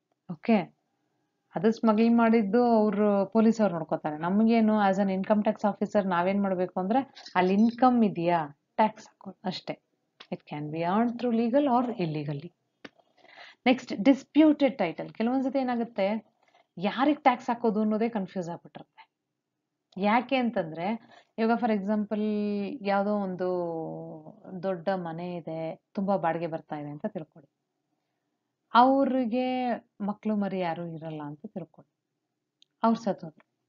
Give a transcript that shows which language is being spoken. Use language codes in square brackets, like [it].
[kn] Okay, ಅದು smuggling ಮಾಡಿದ್ದು ಅವರು ಪೊಲೀಸ್ ಅವ್ರು ನೋಡ್ಕೋತಾರೆ. ನಮಗೇನು [en] as an income tax officer [kn] ನಾವೇನ್ ಮಾಡಬೇಕು ಅಂದ್ರೆ ಅಲ್ಲಿ ಇನ್ಕಮ್ ಇದೆಯಾ ಟ್ಯಾಕ್ಸ್ ಹಾಕೋದು ಅಷ್ಟೇ, [en] It can be earned through legal or illegally. Next disputed title. [kn] ಕೆಲವೊಂದ್ಸತಿ ಏನಾಗುತ್ತೆ, ಯಾರಿಗೆ ಟ್ಯಾಕ್ಸ್ ಹಾಕೋದು ಅನ್ನೋದೇ ಕನ್ಫ್ಯೂಸ್ ಆಗ್ಬಿಟ್ಟಿರುತ್ತೆ. ಯಾಕೆ ಅಂತಂದ್ರೆ, ಇವಾಗ [en] for example [kn] ಯಾವುದೋ ಒಂದು ದೊಡ್ಡ ಮನೆ ಇದೆ, ತುಂಬಾ ಬಾಡಿಗೆ ಬರ್ತಾ ಇದೆ ಅಂತ ತಿಳ್ಕೊಳ್ಳಿ. ಅವ್ರಿಗೆ ಮಕ್ಕಳು ಮರಿ ಯಾರು ಇರಲ್ಲ ಅಂತ ತಿಳ್ಕೊಳ್ಳಿ, ಅವ್ರು ಸತ್ತೋದ್ರು.